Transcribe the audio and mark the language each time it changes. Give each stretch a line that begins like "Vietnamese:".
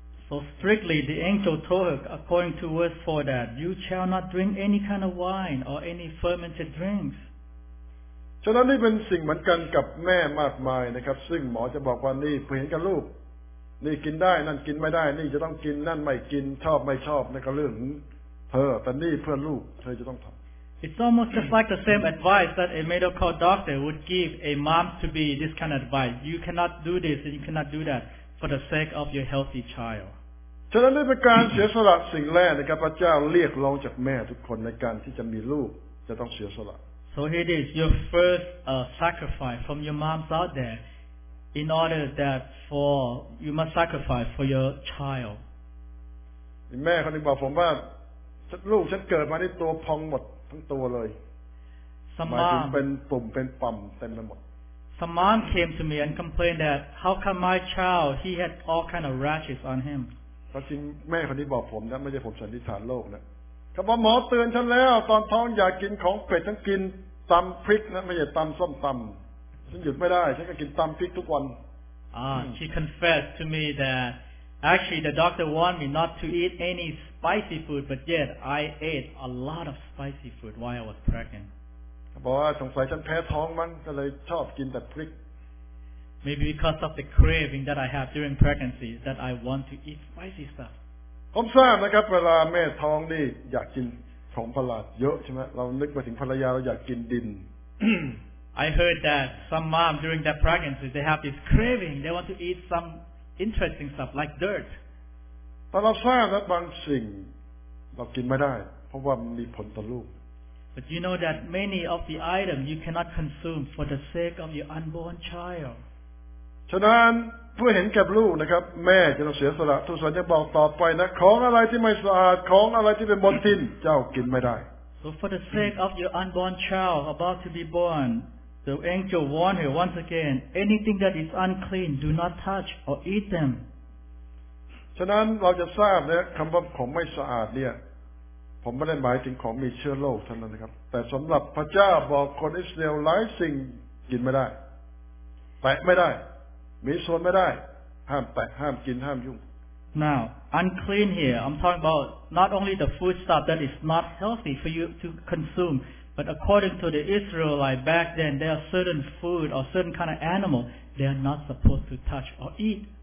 English: So strictly, the angel told her, according to verse 4, that you shall not drink any kind of wine or any fermented drinks.
Thai: ฉะนั้นนี่เป็นสิ่งเหมือนกันกับแม่มากมายนะครับซึ่งหมอจะบอกว่านี่เพื่อเห็นกับลูกนี่กินได้นั่นกินไม่ได้นี่จะต้องกินนั่นไม่กินชอบไม่ชอบนั่นก็เรื่องเธอแต่นี่เพื่อลูกเธอจะต้องทำ
English: It's almost just like the same advice that a medical doctor would give a mom to be this kind of advice. You cannot do this and you cannot do that for the sake of your healthy child.
Thai: ฉะนั้นนี่เป็นการเสียสละสิ่งแรกนะครับพระเจ้าเรียกร้องจากแม่ทุกคนในการที่จะมีลูกจะต้องเสียสละ
English: So it is your first sacrifice from your moms out there in order that for you must sacrifice for your child.
Thai: แม่คนนึงบอกผมว่าลูกฉันเกิดมาได้ตัวพองหมดทั้งตัวเลย
English: Some mom
Thai: เป็นปุ่มเป็นปั่มเต็มไปหมด
English: Some mom came to me and complained that how come my child he had all kind of rashes on him.
Thai: ก็จริงแม่คนนี้บอกผมนะไม่ใช่ผมสันนิษฐานโรคนะเขาบอกหมอเตือนฉันแล้วตอนท้องอย่ากินของเผ็ดทั้งกินตำพริกนะไม่ใช่ตำส้มตำฉันหยุดไม่ได้ฉันก็กินตำพริกทุกวัน
English: She confessed to me that actually the doctor warned me not to eat any spicy food but yet I ate a lot of spicy food while I was pregnant
Thai: เขาบอกว่าสงสัยฉันแพ้ท้องมั้งก็เลยชอบกินแต่พริก
English: Maybe because of the craving that I have during pregnancy that I want to eat spicy stuff
Thai: ผมทราบนะครับเวลาแม่ท้องนี่อยากกินของประหลาดเยอะใช่ไหมเรานึกไปถึงภรรยาเราอยากกินดิน
English: I heard that some mom during their pregnancy they have this craving they want to eat some interesting stuff like dirt
Thai: แต่เราทราบนะบางสิ่งเรากินไม่ได้เพราะว่ามีผลต่อลูก
English: But you know that many of the items you cannot consume for the sake of your unborn child
Thai: ฉะนั้นเพื่อเห็นแก่ลูกนะครับแม่จะต้องเสียสละทุกส่วนจะบอกต่อไปนะของอะไรที่ไม่สะอาดของอะไรที่เป็นมลทินเจ้ากินไม่ได้
English: So for the sake of your unborn child about to be born the angel warned her once again anything that is unclean do not touch or eat them
Thai: ฉะนั้นเราจะทราบนะคําว่าของไม่สะอาดเนี่ยผมไม่ได้หมายถึงของมีเชื้อโรคเท่านั้นนะครับแต่สําหรับพระเจ้าบอกคนอิสราเอลหลายสิ่งกินไม่ได้แตะไม่ได้มีส่วนไม่ได้ห้ามแตะห้ามกินห้ามยุ่ง
English: Now unclean here I'm talking about not only the food stuff that is not healthy for you to consume but according to the Israelite back then there are certain food or certain kind of animal they are not supposed to touch or eat